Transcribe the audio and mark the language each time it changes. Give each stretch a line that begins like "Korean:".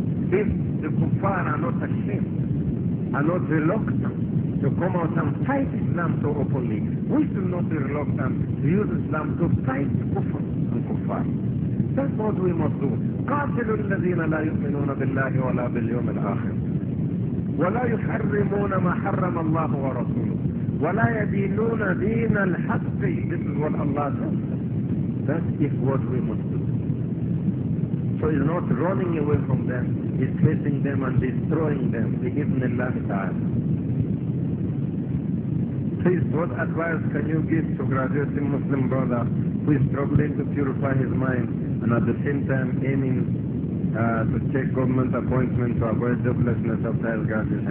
English: If the kuffar are not ashamed, are not reluctant to come out and fight Islam so openly, we should not be reluctant to use Islam to fight kuffar and kuffar. That's what we must do.
Arabic: قاتلوا الذين لا يؤمنون بالله ولا باليوم الآخر ولا يحرمون ما حرم الله ورسوله ولا يدينون دين الحق.
English: This is what Allah says. That is what we must do. So it's not running away from them, it's facing them and destroying them.
Arabic: بإذن الله تعالى.
English: Please, what advice can you give to graduating Muslim brother who is struggling to purify his mind and at the same time aiming to take government appointment to avoid joblessness of his graduation?